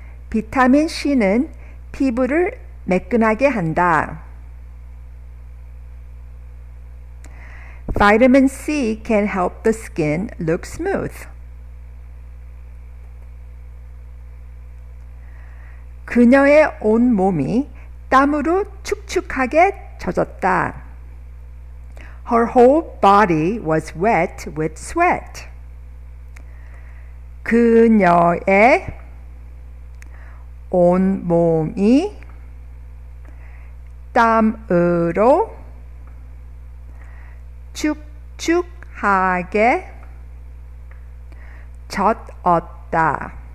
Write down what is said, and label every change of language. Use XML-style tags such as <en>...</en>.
<ko>비타민 C는 피부를 매끈하게 한다.</ko> <en>Vitamin C can help the skin look smooth.</en> <ko>그녀의 온 몸이 땀으로 축축하게 젖었다.</ko> <en>Her whole body was wet with sweat.</en> <ko>그녀의 온 몸이 땀으로 축축하게 젖었다.</ko>